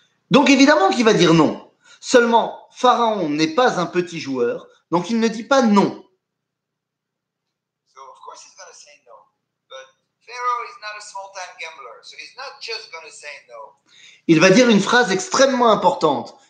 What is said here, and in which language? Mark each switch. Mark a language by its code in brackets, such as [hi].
[fr] Donc évidemment qu'il va dire non. Seulement, Pharaon n'est pas un petit joueur, donc il ne dit pas non. [en] So of course he's going to say no. But Pharaoh is not a small-time gambler, so he's not just going to say no. [fr] Il va dire une phrase extrêmement importante.